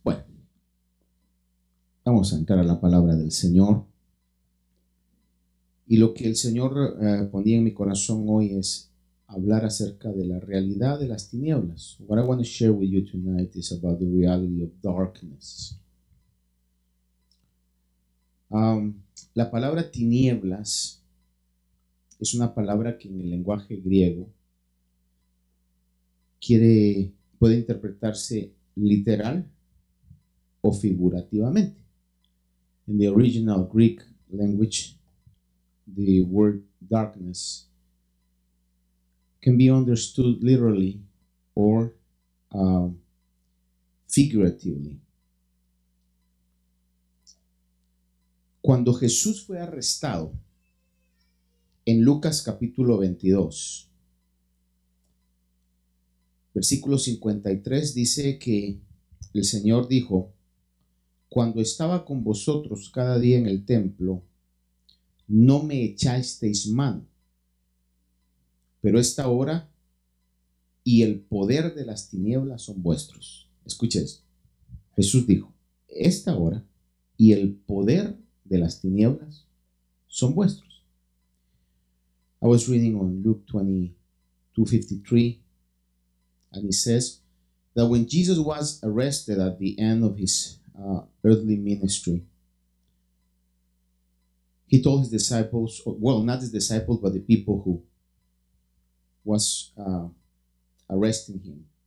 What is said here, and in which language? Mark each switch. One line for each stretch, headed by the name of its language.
Spanish: Bueno, vamos a entrar a la palabra del Señor. Y lo que el Señor ponía en mi corazón hoy es hablar acerca de la realidad de las tinieblas.
English: What I want to share with you tonight is about the reality of darkness.
Spanish: La palabra tinieblas es una palabra que en el lenguaje griego puede interpretarse literal o figurativamente.
English: In the original Greek language, the word darkness can be understood literally or figuratively.
Spanish: Cuando Jesús fue arrestado en Lucas capítulo 22, versículo 53 dice que el Señor dijo: cuando estaba con vosotros cada día en el templo, no me echasteis mano, pero esta hora y el poder de las tinieblas son vuestros. Escuche esto. Jesús dijo: esta hora y el poder de las tinieblas son vuestros.
English: I was reading on Luke 22:53, and it says that when Jesus was arrested at the end of his earthly ministry, he told his disciples, well, not his disciples, but the people who was arresting him.